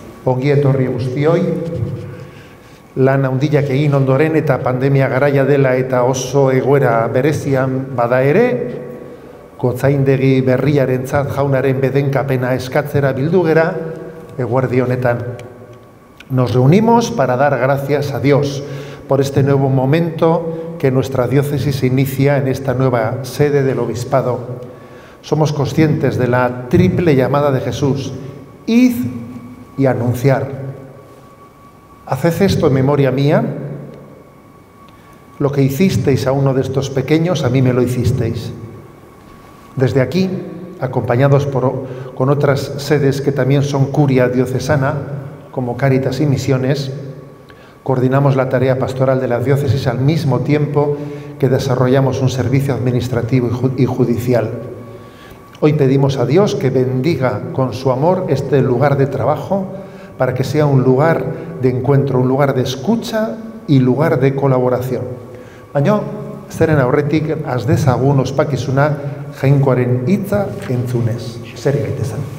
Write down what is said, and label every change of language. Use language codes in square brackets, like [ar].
[eu] Ongi etorri guztioi, lan handiak egin ondoren eta pandemia garaia dela eta oso egoera berezian bada ere, gotzaindegi berriarentzat jaunaren bedenkapena eskatzera bildu gera, eguerdi honetan. [es] Nos reunimos para dar gracias a Dios por este nuevo momento que nuestra diócesis inicia en esta nueva sede del Obispado. Somos conscientes de la triple llamada de Jesús: id y anunciar. Haced esto en memoria mía. Lo que hicisteis a uno de estos pequeños, a mí me lo hicisteis. Desde aquí, acompañados con otras sedes que también son curia diocesana, como Cáritas y Misiones, coordinamos la tarea pastoral de la diócesis al mismo tiempo que desarrollamos un servicio administrativo y judicial. Hoy pedimos a Dios que bendiga con su amor este lugar de trabajo para que sea un lugar de encuentro, un lugar de escucha y lugar de colaboración. [eu] Baina, zeren aurretik, az dezagun ospakizuna jainkoaren hitza entzunez. Zer egite zen.